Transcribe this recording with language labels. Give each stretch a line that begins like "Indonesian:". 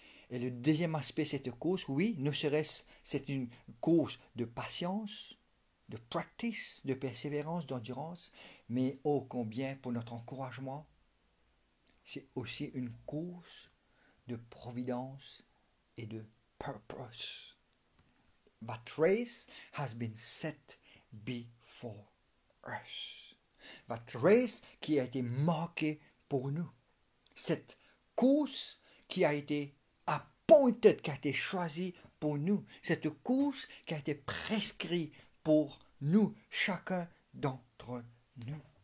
French: Et le deuxième aspect, cette course, oui, ne serait-ce, c'est une course de patience, de practice, de persévérance, d'endurance, mais ô combien pour notre encouragement, c'est aussi une course de providence et de purpose.
English: That race has been set before us. That race
French: qui a été marquée pour nous. Cette course qui a été appointed, qui a été choisie pour nous. Cette course qui a été prescrite pour nous, chacun d'entre nous.